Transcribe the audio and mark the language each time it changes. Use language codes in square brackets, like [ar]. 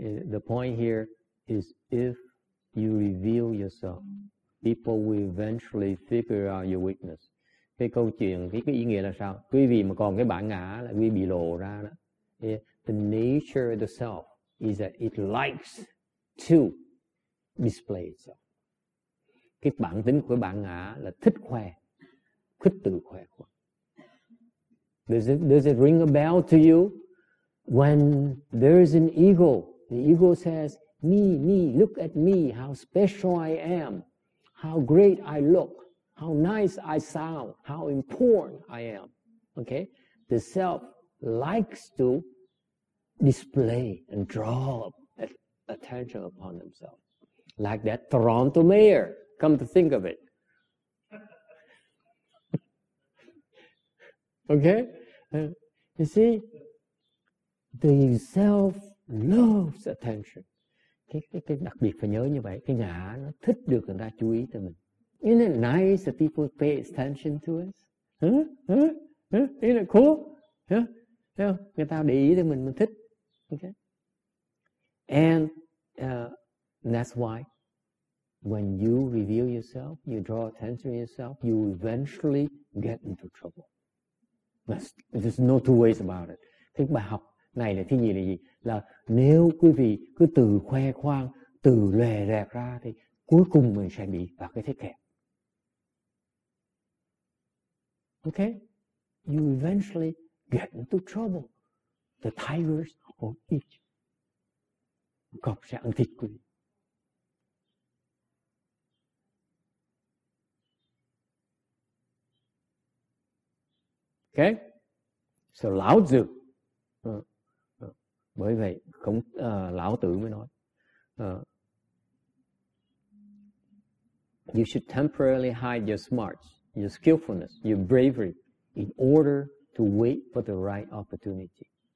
[en] The point here is if you reveal yourself, people will eventually figure out your weakness. [vi] Cái câu chuyện, cái ý nghĩa là sao? Quý vị mà còn cái bản ngã là quý vị bị lộ ra đó. [en] Yeah. The nature of the self is that it likes to display itself. [vi] Cái bản tính của bản ngã là thích khoe, thích tự khoe khoang. [en] Does it ring a bell to you? When there is an ego, the ego says, me, look at me, how special I am, how great I look, how nice I sound, how important I am. Okay? The self likes to display and draw attention upon himself. Like that Toronto mayor, come to think of it. Okay? You see, the self loves attention. [vi] Cái đặc biệt phải nhớ như vậy, cái ngã nó thích được người ta chú ý tới mình. [en] Isn't it nice that people pay attention to us? Isn't it cool? Yeah. [vi] Người ta để ý tới mình thích. [en] Okay? And that's why when you reveal yourself, you draw attention to yourself, you eventually get into trouble. There's no two ways about it. [vi] Thế bài học này là thứ gì là gì? Là nếu quý vị cứ tự khoe khoang, tự lè rẹt ra thì cuối cùng mình sẽ bị vào cái thế kẹt. [en] Okay? You eventually get into trouble. The tigers will eat you. [vi] Cọp sẽ ăn thịt quý vị. [en] Okay, so Lão Tử, [vi] bởi vậy cũng Lão Tử mới nói, [en] you should temporarily hide your smarts, your skillfulness, your bravery, in order to wait for the right opportunity.